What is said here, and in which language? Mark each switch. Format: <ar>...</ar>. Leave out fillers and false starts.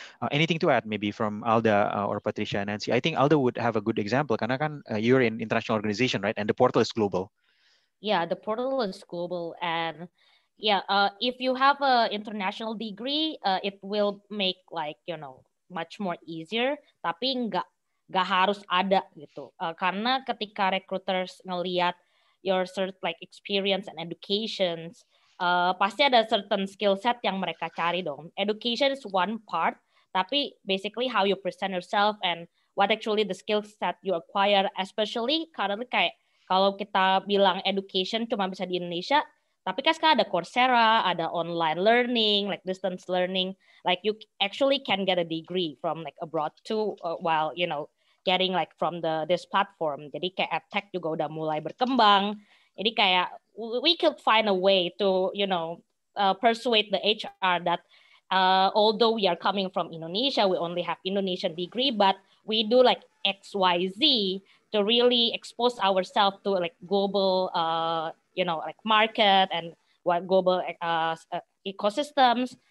<en>Anything to add maybe from Alda or Patricia and Nancy? I think Alda would have a good example.</en> <id>Karena kan</id> <en>you're in international organization, right? And the portal is global. Yeah, the portal is global. And yeah, if you have a international degree, it will make like, you know, much more easier.</en> <id>Tapi nggak harus ada gitu. Karena ketika recruiters ngelihat</id> <en>your cert like experience and educations,</en> <id>pasti ada</id> <en>certain skill set</en> <id>yang mereka cari dong.</id> <en>Education is one part, tapi basically how you present yourself and what actually the skill set you acquire, especially currently</en> <id>kayak kalau kita bilang education cuma bisa di Indonesia, tapi kan sekarang ada Coursera,</id> <en>ada online learning, like distance learning, like you actually can get a degree from like abroad too, while you know getting like from this platform.</en> <id>Jadi kayak edtech juga udah mulai berkembang. Jadi kayak</id> <en>we could find a way to, you know, persuade the HR that although we are coming from Indonesia, we only have Indonesian degree, but we do like XYZ to really expose ourselves to like global, you know, like market and what global ecosystems.</en>